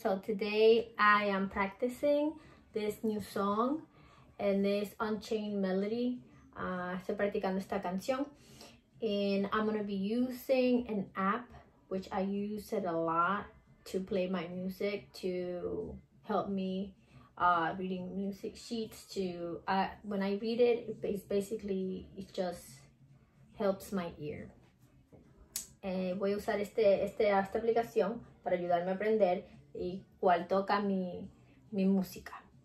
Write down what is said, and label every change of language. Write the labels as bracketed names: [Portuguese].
[English] So today I am practicing this new song and this Unchain melody. [Spanish] Estoy practicando esta canción. [English] And I'm going to be using an app, which I use it a lot to play my music, to help me reading music sheets. To when I read it, it just helps my ear. [Spanish] Voy a usar esta aplicación para ayudarme a aprender y cuál toca mi música.